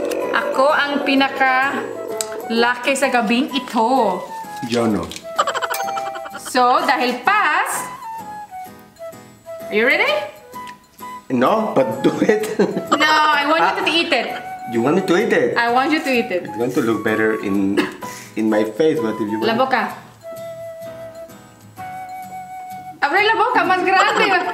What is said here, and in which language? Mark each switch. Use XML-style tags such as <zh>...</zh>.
<tl>Ako ang pinaka laki sa gabing ito.</tl> <es>Yo no.</es> <en>So, dahil pass, are you ready? No, but do it. No, I want you to eat it. You want me to eat it? I want you to eat it. It's going to look better in my face, but if you want...</en> <es>La boca. Abre la boca, más grande.</es>